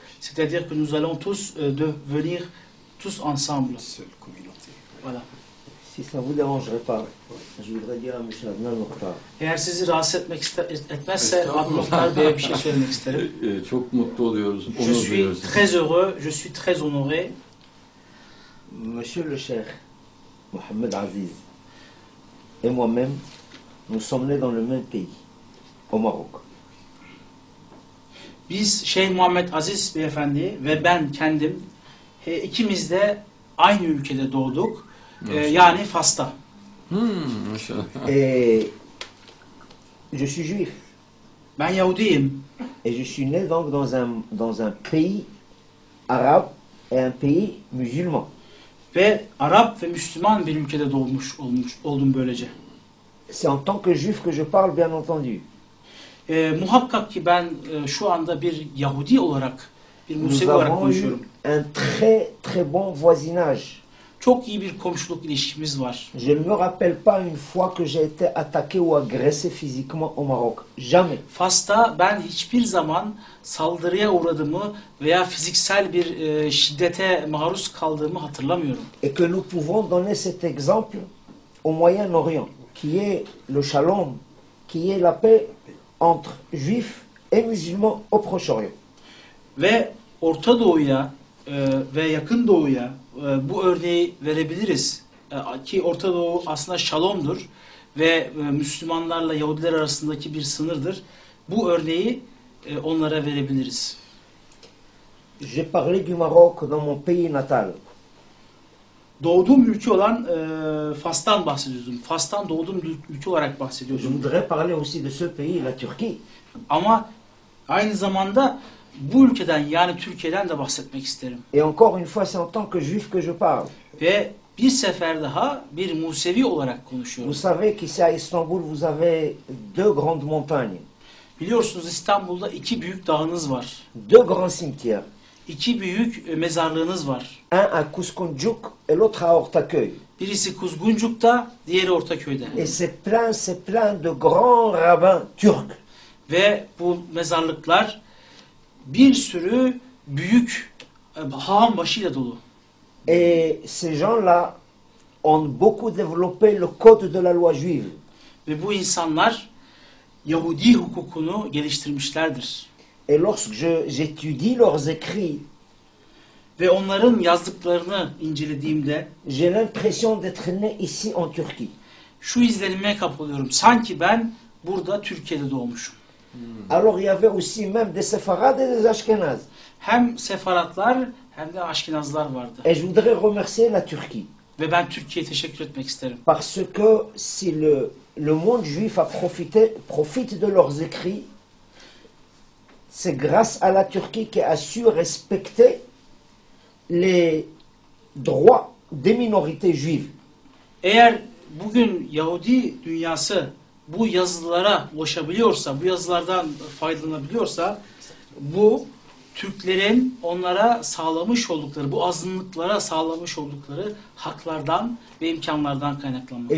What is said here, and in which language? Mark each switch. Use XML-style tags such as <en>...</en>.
<fr>C'est-à-dire que nous allons tous devenir tous ensemble. Seule communauté. Voilà. Si ça ne vous dérangerait pas, je voudrais dire à M. Adnan Muhtar.</fr> <tr>Eğer sizi rahatsız etmek etmezse, Adnan Muhtar Bey'e bir şey söylemek isterim. Çok mutlu oluyoruz.</tr> <fr>Je suis très heureux, je suis très honoré. Monsieur le Cheikh Mohamed Aziz et moi-même, nous sommes nés dans le même pays, au Maroc.</fr> <tr>Biz Şeyh Muhammed Aziz Beyefendi ve ben kendim ikimiz de aynı ülkede doğduk. Yani Fas'ta.</tr> <fr>Je suis juif.</fr> <tr>Ben Yahudiyim.</tr> <fr>Et je suis né donc dans un pays arabe et un pays musulman.</fr> <tr>Ve Arap ve Müslüman bir ülkede oldum böylece.</tr> <fr>C'est en tant que juif que je parle, bien entendu.</fr> <tr>Muhakkak ki ben şu anda bir Yahudi olarak, bir Musevi olarak konuşuyorum.</tr> <fr>Un très très bon voisinage.</fr> <tr>Çok iyi bir komşuluk ilişkimiz var.</tr> <fr>Je ne me rappelle pas une fois que j'ai été attaqué ou agressé physiquement au Maroc. Jamais.</fr> <tr>Fas'ta ben hiçbir zaman saldırıya uğradığımı veya fiziksel bir şiddete maruz kaldığımı hatırlamıyorum.</tr> <fr>Et que nous pouvons donner cet exemple au Moyen-Orient. Qui est le shalom, qui est la paix entre juifs et musulmans au Proche-Orient.</fr> <tr>Ve Orta Doğu'ya ve Yakın Doğu'ya bu örneği verebiliriz. Ki Orta Doğu aslında shalomdur ve Müslümanlarla Yahudiler arasındaki bir sınırdır. Bu örneği onlara verebiliriz.</tr> <fr>J'ai parlé du Maroc dans mon pays natal.</fr> <tr>Doğduğum ülke olan Fas'tan bahsediyordum. Fas'tan doğduğum ülke olarak bahsediyordum.</tr> <fr>Je voudrais parler aussi de ce pays, la Turquie.</fr> <tr>Ama aynı zamanda bu ülkeden yani Türkiye'den de bahsetmek isterim.</tr> <fr>Et encore une fois, c'est en tant que juif que je parle.</fr> <tr>Ve bir sefer daha bir Musevi olarak konuşuyorum.</tr> <fr>Vous savez qu'ici à Istanbul, vous avez deux grandes montagnes.</fr> <tr>Biliyorsunuz İstanbul'da iki büyük dağınız var.</tr> <fr>Deux grands cimetières.</fr> <tr>İki büyük mezarlığınız var.</tr> <fr>Un à Kuzguncuk et l'autre à Ortaköy.</fr> <tr>Birisi Kuzguncuk'ta, diğeri Ortaköy'de.</tr> <fr>Et c'est plein de grands rabbins turcs.</fr> <tr>Ve bu mezarlıklar bir sürü büyük hağam başıyla dolu.</tr> <fr>Et ces gens-là ont beaucoup développé le code de la loi juive.</fr> <tr>Ve bu insanlar Yahudi hukukunu geliştirmişlerdir.</tr> <fr>Et lorsque j'étudie leurs écrits,</fr> <tr>ve onların yazdıklarını incelediğimde,</tr> <fr>j'ai l'impression d'être né ici en Turquie.</fr> <tr>Şu izlenime kapılıyorum. Sanki ben burada Türkiye'de doğmuşum.</tr> <fr>Alors il y avait aussi même des Sephardes et des Ashkenazes.</fr> <tr>Hem Sefaratlar hem de Ashkenazlar vardı.</tr> <fr>Et je voudrais remercier la Turquie.</fr> <tr>Ve ben Türkiye'ye teşekkür etmek isterim.</tr> <fr>Parce que si le monde juif a profite de leurs écrits, c'est grâce à la Turquie qui a su respecter les droits des minorités juives.</fr> <tr>Eğer bugün Yahudi dünyası bu yazılara ulaşabiliyorsa, bu yazılardan faydalanabiliyorsa, bu Türklerin onlara sağlamış oldukları, bu azınlıklara sağlamış oldukları haklardan ve imkanlardan kaynaklanmaktır.</tr>